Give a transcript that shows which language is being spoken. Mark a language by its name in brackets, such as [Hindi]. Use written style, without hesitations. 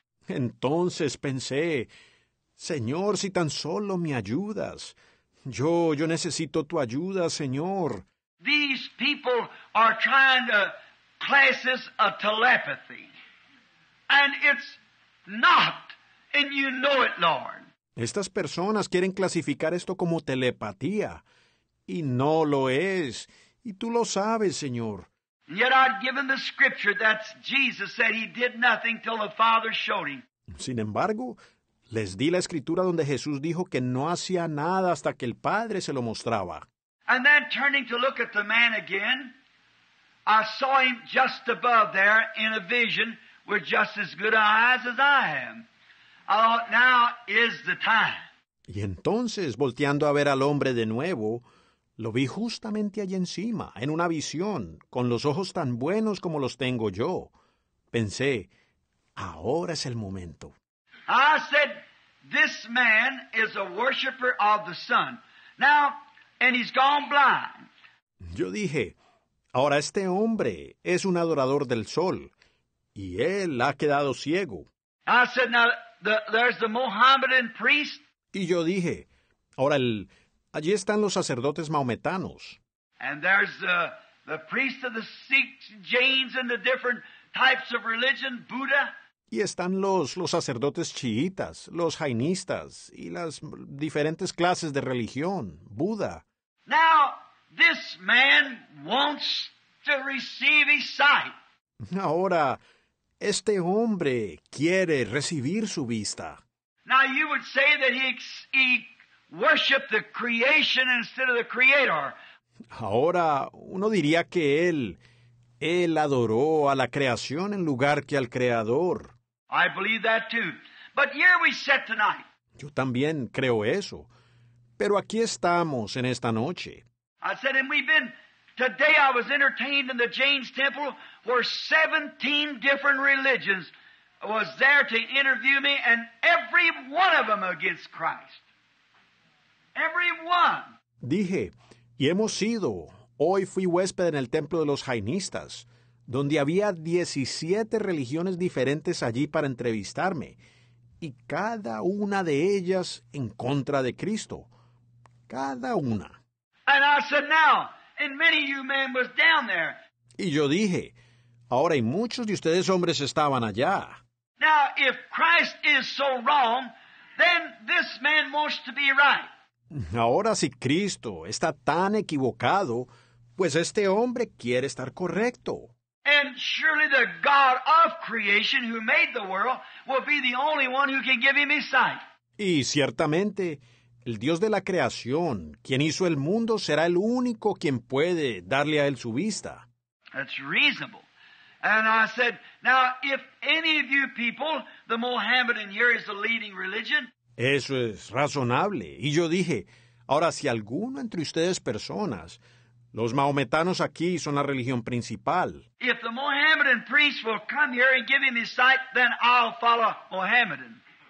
[Spanish] Entonces pensé, Señor, si tan solo me ayudas, yo necesito tu ayuda, Señor. [English] These people are trying to class this a telepathy. And it's not, and you know it, Lord. [Spanish] Estas personas quieren clasificar esto como telepatía, y no lo es, y tú lo sabes, Señor. [English] Yet I've given the scripture that Jesus said he did nothing till the Father showed him. [Spanish] Sin embargo, les di la escritura donde Jesús dijo que no hacía nada hasta que el Padre se lo mostraba. [English] And then turning to look at the man again, I saw him just above there in a vision with just as good eyes as I am. I thought, now is the time. [Spanish] Y entonces, volteando a ver al hombre de nuevo, lo vi justamente allí encima, en una visión, con los ojos tan buenos como los tengo yo. Pensé, ahora es el momento. [English] I said, this man is a worshiper of the sun. Now, and he's gone blind. [Spanish] Yo dije, ahora este hombre es un adorador del sol, y él ha quedado ciego. [English] I said, now, there's the Mohammedan priest. [Spanish] Y yo dije, ahora allí están los sacerdotes maometanos. [English] And there's the priest of the Sikhs, Jains, and the different types of religion, Buddha. [Spanish] Y están los sacerdotes chiitas, los jainistas, y las diferentes clases de religión, Buda. [English] Now, this man wants to receive his sight. [Spanish] Ahora, este hombre quiere recibir su vista. [English] Now, you would say that he worshiped the creation instead of the creator. [Spanish] Ahora, uno diría que él adoró a la creación en lugar que al Creador. [English] I believe that too. But here we sit tonight. [Spanish] Yo también creo eso. Pero aquí estamos en esta noche. [English] I said, and we've been, today I was entertained in the Jain's temple where 17 different religions was there to interview me, and every one of them against Christ. Every one. [Spanish] Dije, y hemos ido. Hoy fui huésped en el templo de los jainistas, donde había 17 religiones diferentes allí para entrevistarme, y cada una de ellas en contra de Cristo. Cada una. [English] And I said, now, and many of you men was down there. [Spanish] Y yo dije, ahora y muchos de ustedes hombres estaban allá. [English] Now, if Christ is so wrong, then this man wants to be right. [Spanish] Ahora, si Cristo está tan equivocado, pues este hombre quiere estar correcto. [English] And surely the God of creation who made the world will be the only one who can give him his sight. [Spanish] Y ciertamente, el Dios de la creación, quien hizo el mundo, será el único quien puede darle a él su vista. [English] That's reasonable. And I said, now, if any of you people, the Mohammedan here is the leading religion, [Spanish] eso es razonable. Y yo dije, ahora, si alguno entre ustedes personas, los mahometanos aquí son la religión principal, [English] if the Mohammedan priest will come here and give him his sight, then I'll follow Mohammedan.